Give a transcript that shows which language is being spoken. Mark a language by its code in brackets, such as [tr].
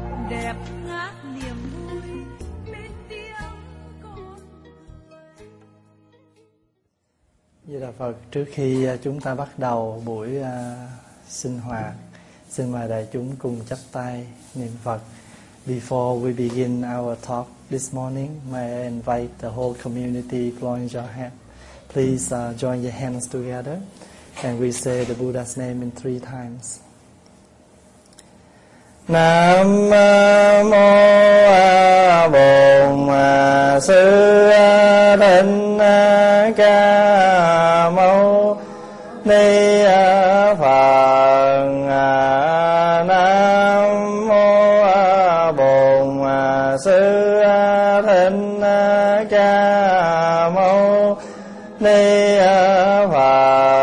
[vi] Đẹp ngát niềm vui bên tiếng con người. Vậy là Phật, trước khi chúng ta bắt đầu buổi sinh hoạt, xin mời đại chúng cùng chắp tay niệm Phật. [en] Before we begin our talk this morning, may I invite the whole community join your hands. Please join your hands together, and we say the Buddha's name in 3 times. [vi] Nam mô A Bổn Sư Thích Ca Mâu Ni Phật. Nam mô Bổn Sư Thích Ca Mâu Ni Phật.